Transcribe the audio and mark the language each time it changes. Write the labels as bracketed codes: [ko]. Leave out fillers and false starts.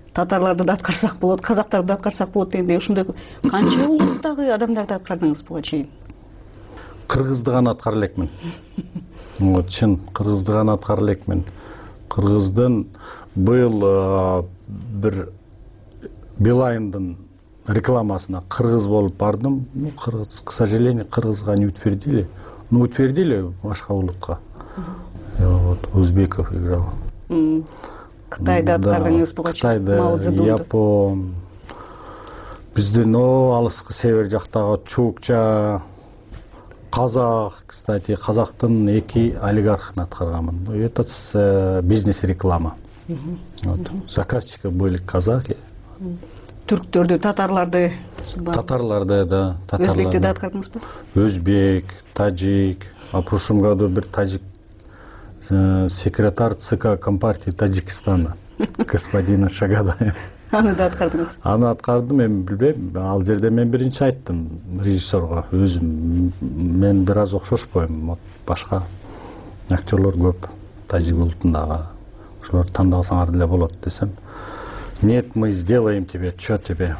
[ky] Татарларды да аткарсак болот, казактарды да аткарсак болот дегенде ушундай канча улуттагы адамдарды аткардыңыз буга чейин? Кыргызды гана аткара элекмин. Вот чын, кыргызды гана аткара элекмин. Кыргыздын быйыл бир Билайндын рекламасына кыргыз болуп бардым. [ru] Ну, [ky] кыргыз, [ru] к сожалению, [ky] кыргызга [ru] не утвердили. Ну, утвердили [ky] башка улутка. [ru] Вот Узбеков играл. [ky] Кытайды аткардыңыз буга чейин? Кытайды, Япон. Биздин алыскы север жактагы чукча, казак, кстати, казактын эки олигархын аткарганмын. [ru] Это бизнес реклама. Вот. Заказчики были казаки. [ky] Түрктөрдү, татарларды. Татарларды да, татарларды. Өзбекти да аткардыңызбы? Өзбек, тажик, [ru] а прошлом году [ky] бир тажик [ru] секретарь ЦК Компартии Таджикистана господина Шагадаев. [ky] Аны да аткардыңыз? Аны аткардым, эми билбейм. Ал жерде мен биринчи айттым режиссерго. Өзүм мен бир аз окшошпойм. Вот башка актерлор көп тажик улутундагы. Ошолорду тандасаңар деле болот десем. [ru] Нет, мы сделаем тебе, что тебе?